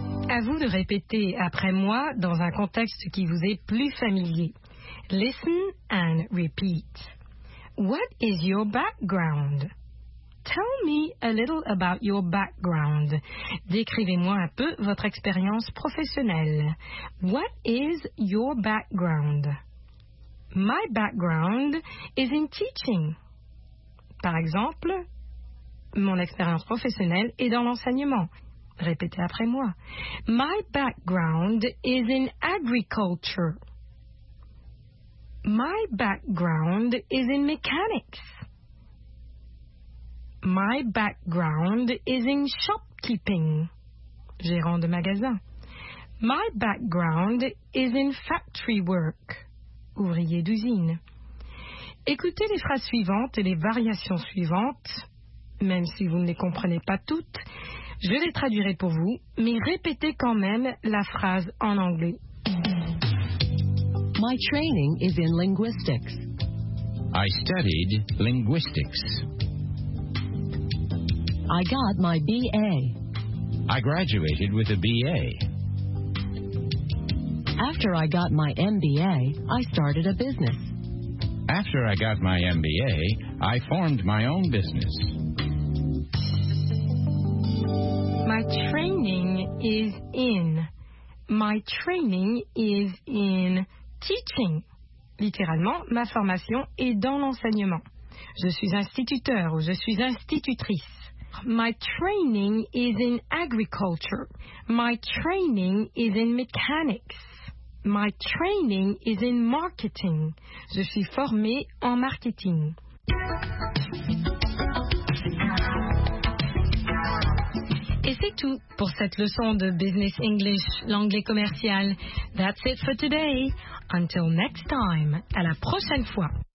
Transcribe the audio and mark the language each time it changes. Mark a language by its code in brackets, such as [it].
[fr] À vous de répéter après moi dans un contexte qui vous est plus familier. [en] Listen and repeat. What is your background? Tell me a little about your background. [fr] Décrivez-moi un peu votre expérience professionnelle. [en] What is your background? My background is in teaching. [fr] Par exemple, mon expérience professionnelle est dans l'enseignement. Répétez après moi. [en] My background is in agriculture. My background is in mechanics. My background is in shopkeeping. [fr] Gérant de magasin. [en] My background is in factory work. [fr] Ouvrier d'usine. Écoutez les phrases suivantes et les variations suivantes. Même si vous ne les comprenez pas toutes, je les traduirai pour vous, mais répétez quand même la phrase en anglais. [en] My training is in linguistics. I studied linguistics. I got my BA. I graduated with a BA. After I got my MBA, I started a business. After I got my MBA, I formed my own business. My training is in. My training is in teaching. [fr] Littéralement, ma formation est dans l'enseignement. Je suis instituteur ou je suis institutrice. [en] My training is in agriculture. My training is in mechanics. My training is in marketing. [fr] Je suis formé en marketing. Et c'est tout pour cette leçon de Business English, l'anglais commercial. [en] That's it for today. Until next time, [fr] à la prochaine fois.